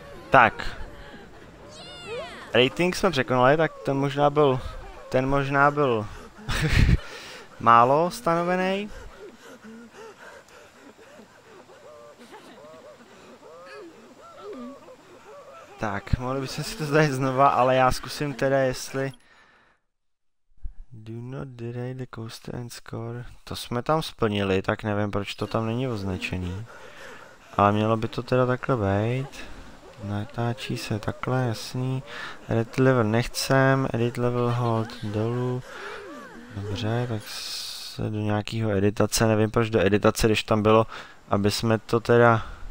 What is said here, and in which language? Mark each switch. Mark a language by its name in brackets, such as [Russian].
[Czech] Tak, rating jsme překonali, tak ten možná byl málo stanovený. Tak, mohli bychom si to zdat znova, ale já zkusím teda, jestli... [English] Do not delay the coaster and score. [Czech] To jsme tam splnili, tak nevím, proč to tam není označený. Ale mělo by to teda takhle být. Natáčí se takhle, jasný. Edit level nechcem, edit level hold dolů. Dobře, tak se do nějakého editace, nevím proč do editace, když tam bylo, aby jsme to teda...